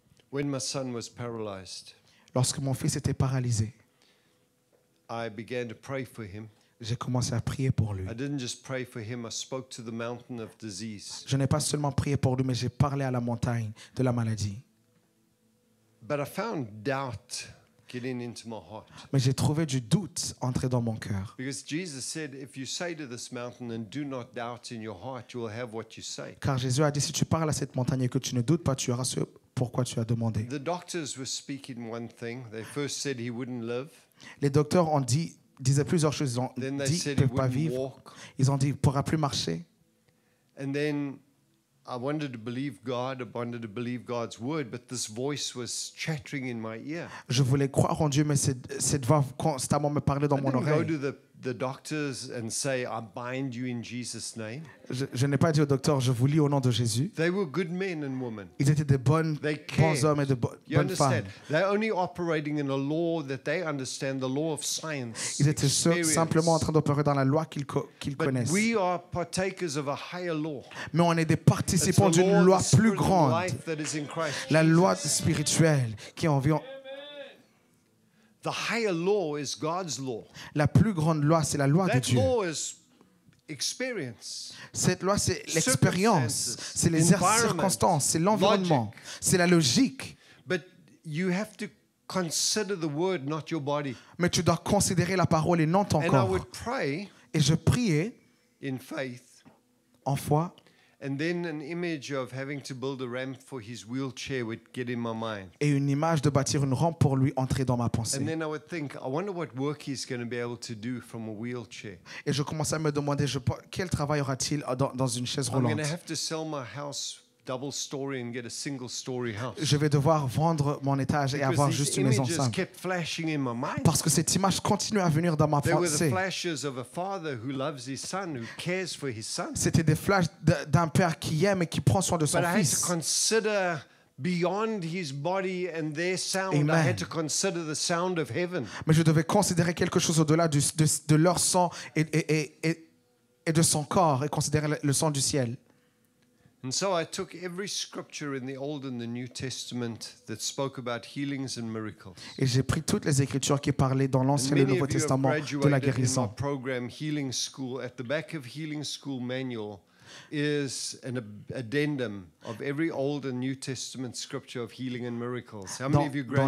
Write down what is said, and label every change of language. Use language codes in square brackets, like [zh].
[en] When my son was paralyzed, [fr] lorsque mon fils était paralysé, [en] I began to pray for him. [fr] J'ai commencé à prier pour lui. [en] I didn't just pray for him, I spoke to the mountain of disease. [fr] Je n'ai pas seulement prié pour lui, mais j'ai parlé à la montagne de la maladie. [en] But I found doubt getting into my heart. [fr] Mais j'ai trouvé du doute entrer dans mon cœur. [en] Because Jesus said, if you say to this mountain and do not doubt in your heart, you will have what you say. [fr] Car Jésus a dit, si tu parles à cette montagne et que tu ne doutes pas, tu auras ce pourquoi tu as demandé. [en] The doctors were speaking one thing. They first said he wouldn't live. [fr] Les docteurs ont dit, disaient plusieurs choses. Ils ont [en] then [fr] dit qu'il ne pouvait pas vivre. [en] Walk. [fr] Ils ont dit qu'il ne pourra plus marcher. [en] And then I wanted to believe God, I wanted to believe God's word, but this voice was chattering in my ear. [fr] Je voulais croire en Dieu, mais cette voix constamment me parlait dans mon oreille. [en] I didn't go to the doctors and say, I bind you in Jesus' name. [fr] Je n'ai pas dit au docteur, je vous lis au nom de Jésus. [en] They were good men and women. [fr] Ils étaient des bons hommes et bonnes femmes. [en] They're only operating in a law that they understand, the law of science. [fr] Ils étaient simplement en train d'opérer dans la loi qu'ils connaissent. [en] We are partakers of a higher law. [fr] Mais on est des participants d'une loi plus grande. La loi spirituelle qui est environ. [en] The higher law is God's law. [fr] La plus grande loi, c'est la loi [en] that [fr] de Dieu. [en] Law is experience. [fr] Cette loi, c'est l'expérience, c'est les circonstances, c'est l'environnement, [en] logic. [fr] C'est la logique. [en] But you have to consider the word, not your body. [fr] Mais tu dois considérer la parole et non ton [en] and [fr] corps. [en] I would pray [fr] et je priais [en] in faith, [fr] en foi. [en] And then an image of having to build a ramp for his wheelchair would get in my mind. [fr] Et une image de bâtir une rampe pour lui entrer dans ma pensée. [en] And then I would think, I wonder what work he's going to be able to do from a wheelchair. [fr] Et je commençais à me demander, quel travail aura-t-il dans une chaise roulante? [en] I'm going to have to sell my house double story and get a single story house. [fr] Je vais devoir vendre mon étage et avoir juste une maison simple. [en] Kept flashing in my mind. [fr] Parce que cette image continue à venir dans ma pensée. [en] There were the flashes of a father who loves his son, who cares for his son. [fr] C'était des flashs d'un père qui aime et qui prend soin de son [en] but I had to consider beyond his body and their sound. Amen. I had to consider the sound of heaven. [fr] Mais je devais considérer quelque chose au-delà de leur son et de son corps et considérer le son du ciel. [en] And so I took every scripture in the Old and the New Testament that spoke about healings and miracles. [fr] Et j'ai pris toutes les écritures qui parlaient dans l'Ancien et le Nouveau Testament de la guérison. [en] In my program Healing School, at the back of Healing School manual is an addendum of every Old and New Testament scripture of healing and miracles. How many of you graduated?